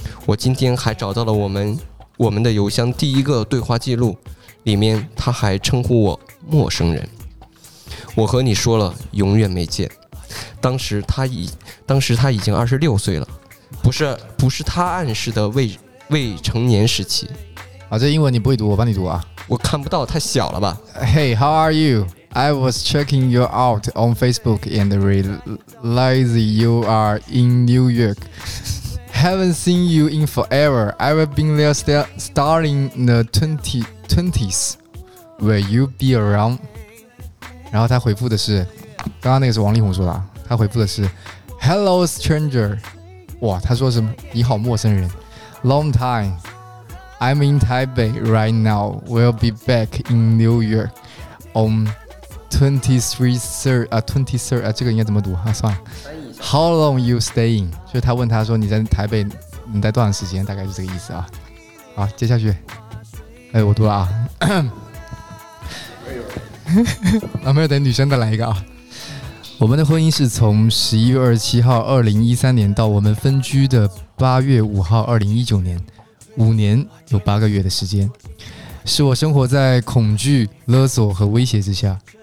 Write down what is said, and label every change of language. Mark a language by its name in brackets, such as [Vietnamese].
[Chinese] 我今天还找到了我们的邮箱第一个对话记录，里面他还称呼我陌生人。我和你说了永远没见，当时他已经26岁了，不是他暗示的未成年时期啊。这英文你不会读，我帮你读啊。我看不到，太小了吧。 [English] Hey, how are you? I was checking you out on Facebook and realize you are in New York. Haven't seen you in forever. I've been there starting the 2020s. Will you be around? [Chinese] 然后他回复的是，刚刚那个是王力宏说的，他回复的是 [English] Hello stranger。 [Chinese] 哇，他说什么？你好陌生人。 [English] Long time I'm in Taipei right now, will be back in New York on 23rd、 [Chinese] 这个应该怎么读啊？算了。 [English] How long you staying? [Chinese] 就是他问他说你在台北你待多长时间，大概是这个意思啊。好，接下去，哎，我读了啊。啊，没有，等女生的来一个啊。我们的婚姻是从11月27号2013年到我们分居的8月5号2019年，5年有8个月的时间，是我生活在恐惧、勒索和威胁之下。